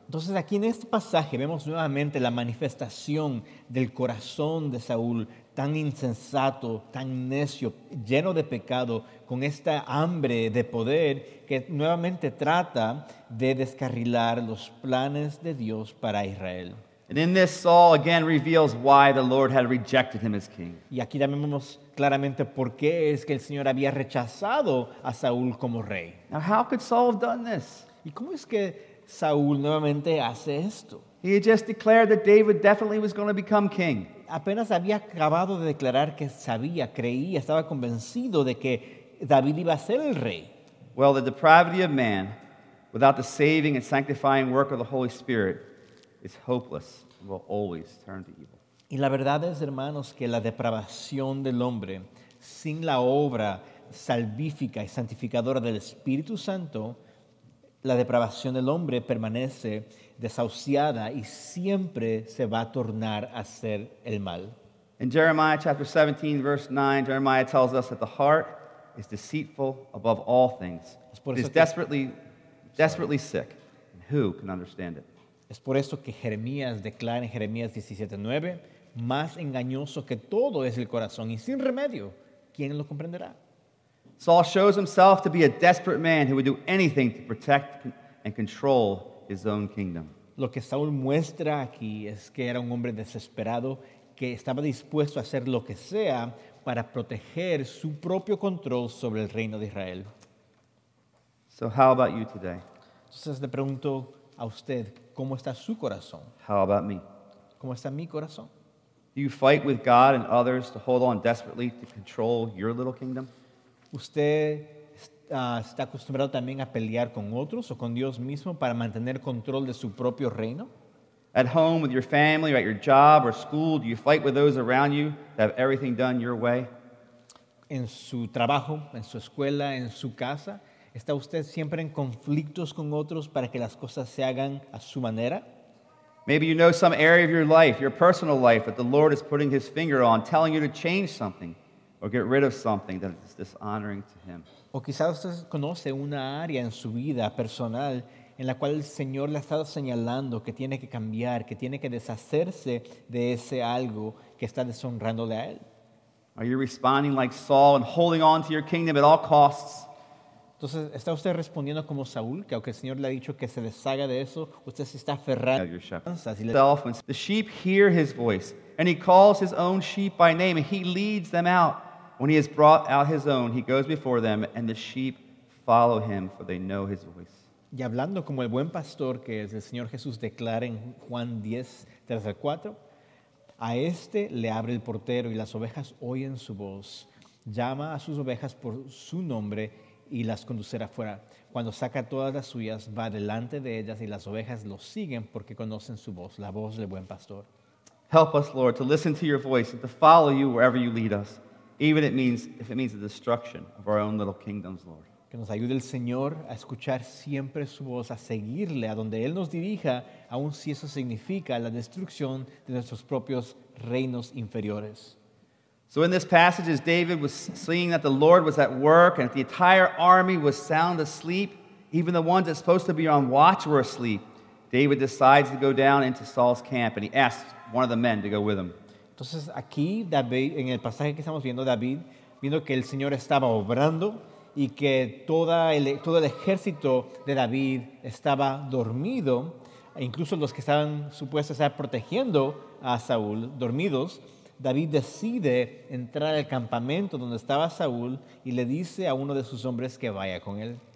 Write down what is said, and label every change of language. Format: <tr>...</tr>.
<es>Entonces aquí en este pasaje vemos nuevamente la manifestación del corazón de Saúl, tan insensato, tan necio, lleno de pecado, con esta hambre de poder que nuevamente trata de descarrilar los planes de Dios para Israel.</es> <en>And in this, Saul again reveals why the Lord had rejected him as king.</en> <es>Y aquí también vemos claramente por qué es que el Señor había rechazado a Saúl como rey.</es> <en>Now, how could Saul have done this?</en> <es>¿Y cómo es que Saúl nuevamente hace esto?</es> <en>He had just declared that David definitely was going to become king.</en> <es>Apenas había acabado de declarar que sabía, creía, estaba convencido de que David iba a ser el rey.</es> <en>Well, the depravity of man, without the saving and sanctifying work of the Holy Spirit, is hopeless and will always turn to evil.</en> <es>Y la verdad es, hermanos, que la depravación del hombre sin la obra salvífica y santificadora del Espíritu Santo, la depravación del hombre permanece desahuciada y siempre se va a tornar a ser el mal.</es> <en>In Jeremiah chapter 17, verse 9, Jeremiah tells us that the heart is deceitful above all things.</en> <es>Es por</es> <en>eso it is desperately sick. And who can understand it?</en> <es>Es por eso que Jeremías declara en Jeremías 17:9, más engañoso que todo es el corazón y sin remedio, ¿quién lo comprenderá?</es> <en>Saul shows himself to be a desperate man who would do anything to protect and control his own kingdom.</en> <es>Lo que Saúl muestra aquí es que era un hombre desesperado que estaba dispuesto a hacer lo que sea para proteger su propio control sobre el reino de Israel.</es> <en>So how about you today?</en> <es>Entonces le pregunto a usted, ¿cómo está su corazón?</es> <en>How about me?</en> <es>¿Cómo está mi corazón?</es> <en>Do you fight with God and others to hold on desperately to control your little kingdom?</en> <es>¿Usted está acostumbrado también a pelear con otros o con Dios mismo para mantener control de su propio reino?</es> <en>At home with your family or at your job or school, do you fight with those around you that have everything done your way?</en> <es>¿En su trabajo, en su escuela, en su casa? ¿Está usted siempre en conflictos con otros para que las cosas se hagan a su manera?</es> <en>Maybe you know some area of your life, your personal life, that the Lord is putting his finger on, telling you to change something. or get rid of something that is dishonoring to him.</en> <es>O quizás usted conoce una área en su vida personal en la cual el Señor le ha estado señalando que tiene que cambiar, que tiene que deshacerse de ese algo que está deshonrándole a él.</es> <en>Are you responding like Saul and holding on to your kingdom at all costs?</en> <es>Entonces, ¿está usted respondiendo como Saúl, que aunque el Señor le ha dicho que se deshaga de eso, usted se está aferrando a su shepherd?</es> <en>The sheep hear his voice, and he calls his own sheep by name, and he leads them out. When he has brought out his own, he goes before them, and the sheep follow him, for they know his voice.</en> <es>Y hablando como el buen pastor que es, el Señor Jesús declara en Juan 10, 3 al 4, a este le abre el portero, y las ovejas oyen su voz. Llama a sus ovejas por su nombre, y las conducirá afuera. Cuando saca todas las suyas, va delante de ellas, y las ovejas lo siguen porque conocen su voz, la voz del buen pastor.</es> <en>Help us, Lord, to listen to your voice and to follow you wherever you lead us, even if it means the destruction of our own little kingdoms, Lord.</en> <es>Que nos ayude el Señor a escuchar siempre su voz, a seguirle a donde Él nos dirija, aun si eso significa la destrucción de nuestros propios reinos inferiores.</es> <en>So in this passage, as David was seeing that the Lord was at work and that the entire army was sound asleep, even the ones that's supposed to be on watch were asleep, David decides to go down into Saul's camp and he asks one of the men to go with him.</en> <es>Entonces aquí, David, en el pasaje que estamos viendo, David, viendo que el Señor estaba obrando y que todo el ejército de David estaba dormido, e incluso los que estaban supuestos a estar protegiendo a Saúl, dormidos, David decide entrar al campamento donde estaba Saúl y le dice a uno de sus hombres que vaya con él.</es>